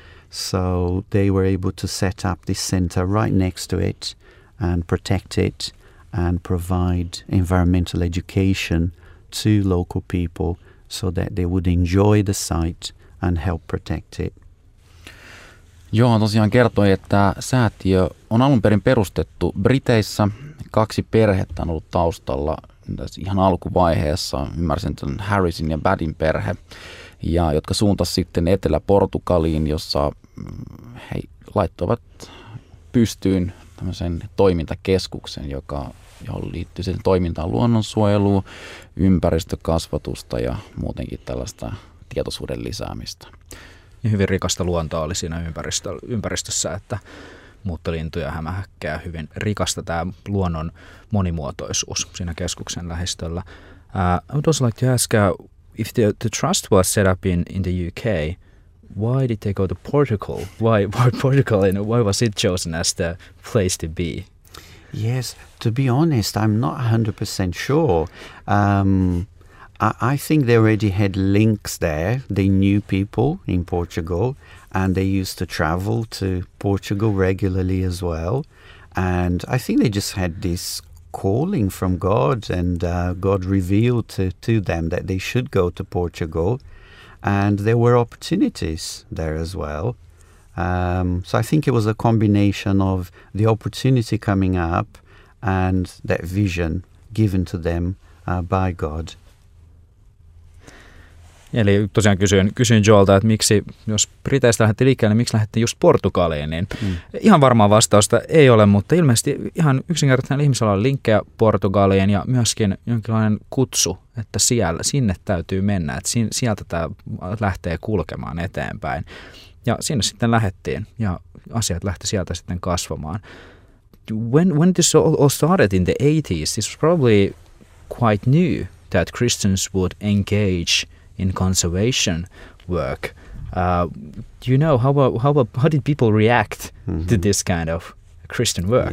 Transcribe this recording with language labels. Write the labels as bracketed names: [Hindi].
[English] So they were able to set up this center right next to it and protect it and provide environmental education to local people so that they would enjoy the site and help protect it. [Finnish] Joo, tosiaan kertoi, että säätiö on alun perin perustettu Briteissä. Kaksi perhettä on ollut taustalla tässä ihan alkuvaiheessa, ymmärsin tämän Harrisin ja Badin perhe, ja jotka suuntasi sitten Etelä-Portugaliin, jossa he laittoivat pystyyn tämmöisen toimintakeskuksen, johon liittyy sen toimintaan luonnonsuojeluun, ympäristökasvatusta ja muutenkin tällaista tietoisuuden lisäämistä. Ja hyvin rikasta luontoa oli siinä ympäristössä, että muuttolintuja, hämähäkkejä, hyvin rikasta tämä luonnon monimuotoisuus siinä keskuksen lähistöllä. [English] I would also like to ask, if the trust was set up in the UK, why did they go to Portugal? Why Portugal, and why was it chosen as the place to be? Yes, to be honest, I'm not 100% sure. I think they already had links there. They knew people in Portugal, and they used to travel to Portugal regularly as well. And I think they just had this calling from God, and God revealed to them that they should go to Portugal. And there were opportunities there as well. So I think it was a combination of the opportunity coming up and that vision given to them by God. [Finnish] Eli tosiaan kysyin Joelta, että miksi, jos Briteistä lähdettiin liikkeelle, niin miksi lähdettiin just Portugaliin, niin ihan varmaan vastausta ei ole, mutta ilmeisesti ihan yksinkertaisena ihmisellä on linkkejä Portugaliin ja myöskin jonkinlainen kutsu, että siellä, sinne täytyy mennä, että sieltä tämä lähtee kulkemaan eteenpäin. Ja sinne sitten lähdettiin ja asiat lähti sieltä sitten kasvamaan. [English] When this all started in the 80s, this was probably quite new that Christians would engage in conservation work. How did people react to this kind of Christian work?